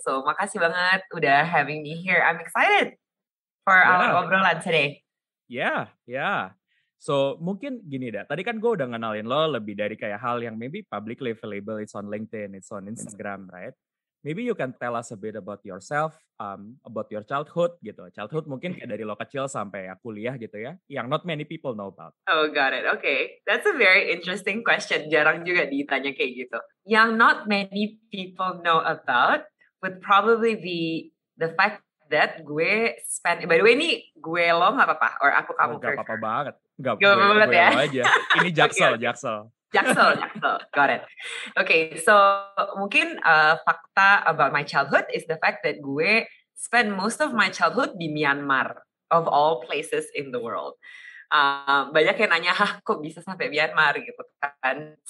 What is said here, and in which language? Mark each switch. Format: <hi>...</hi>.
<en>So,</en> <id>makasih banget udah</id> <en>having me here. I'm excited for our</en> <id>obrolan</id> <en>today. Yeah. So,</en> <id>mungkin gini dah. Tadi kan gue udah ngenalin lo lebih dari kayak hal yang</id> <en>maybe publicly available. It's on LinkedIn, it's on Instagram, right? Maybe you can tell us a bit about yourself, about your childhood,</en> <id>gitu. Childhood mungkin kayak dari lo kecil sampai ya kuliah, gitu ya. Yang</id> <en>not many people know about. Oh, got it. Okay. That's a very interesting question.</en> <id>Jarang juga ditanya kayak gitu. Yang</id> <en>not many people know about would probably be the fact that</en> <id>gue</id> <en>spend... By the way,</en> <id>ini gue lo gak apa-apa?</id> <en>Or</en> <id>aku kamu</id> <en>prefer?</en> <id>Gak apa-apa banget. Gak apa-apa ya. Ini jaksel.</id> <en>Jaksel, got it. Okay, so</en> <id>mungkin fakta</id> <en>about my childhood is the fact that</en> <id>gue</id> <en>spend most of my childhood</en> <id>di</id> <en>Myanmar, of all places in the world.</en> <id>Banyak yang nanya, hah kok bisa sampai Myanmar gitu kan?</id>